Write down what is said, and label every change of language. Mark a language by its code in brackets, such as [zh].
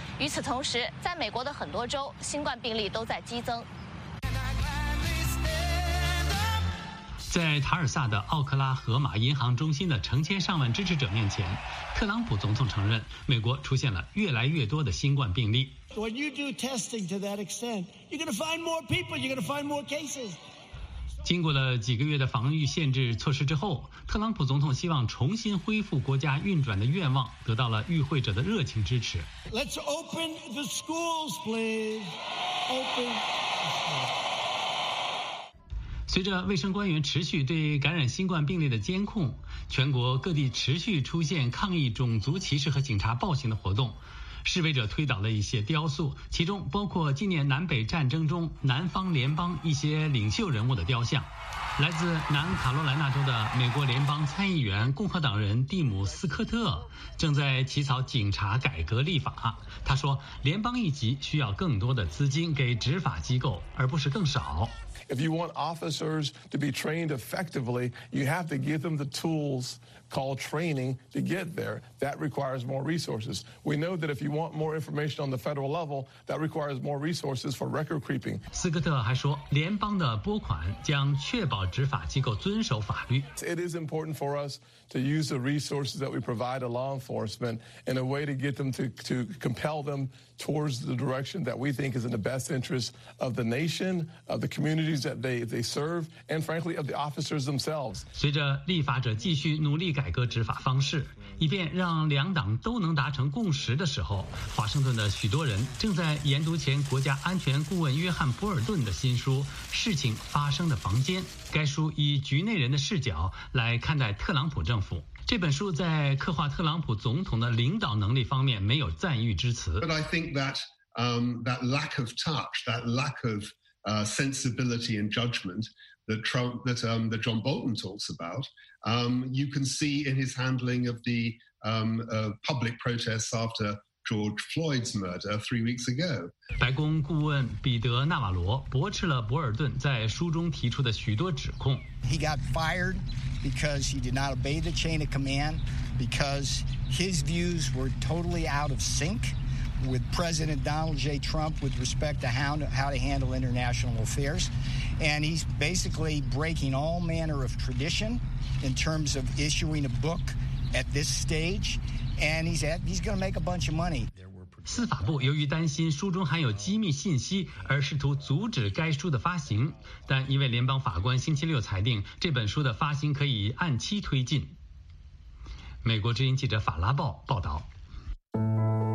[zh] 与此同时，在美国的很多州，新冠病例都在激增。在塔尔萨的奥克拉荷马银行中心的成千上万支持者面前，特朗普总统承认美国出现了越来越多的新冠病例。 [en] When you do testing to that extent, you're going to find more people, you're going to find more cases. [zh] 经过了几个月的防御限制措施之后，特朗普总统希望重新恢复国家运转的愿望得到了与会者的热情支持。 [en] Let's open the schools, please. Open the schools. [zh] 随着卫生官员持续对感染新冠病例的监控，全国各地持续出现抗议种族歧视和警察暴行的活动。示威者推倒了一些雕塑，其中包括纪念南北战争中南方联邦一些领袖人物的雕像。来自南卡罗来纳州的美国联邦参议员共和党人蒂姆斯科特正在起草警察改革立法，他说联邦一级需要更多的资金给执法机构，而不是更少。 [en] If you want officers to be trained effectively, you have to give them the tools called training to get there. That requires more resources. We know that if you want more information on the federal level, that requires more resources for record keeping. [zh] 斯科特还说，联邦的拨款将确保执法机构遵守法律。 [en] It is important for us to use the resources that we provide to law enforcement in a way to get them to compel them towards the direction that we think is in the best interest of the nation, of the communities that they serve, and frankly, of the officers themselves. [zh] 随着立法者继续努力改革执法方式，以便让两党都能达成共识的时候，华盛顿的许多人正在研读前国家安全顾问约翰·博尔顿的新书《事情发生的房间》。该书以局内人的视角来看待特朗普政府。这本书在刻画特朗普总统的领导能力方面没有赞誉之词。 [en] But I think that, that lack of touch, that lack of, sensibility and judgment that Trump, that, that John Bolton talks about,you can see in his handling of the, public protests after George Floyd's murder 3 weeks ago. [zh] 白宫顾问彼得·纳瓦罗驳斥了博尔顿在书中提出的许多指控。 [en] He got fired because he did not obey the chain of command, because his views were totally out of sync with President Donald J. Trump with respect to how to handle international affairs. And he's basically breaking all manner of tradition. In terms of issuing a book at this stage, and he's going to make a bunch of money. [zh] 司法部由于担心书中含有机密信息而试图阻止该书的发行，但一位联邦法官星期六裁定这本书的发行可以按期推进。美国之音记者法拉报报道。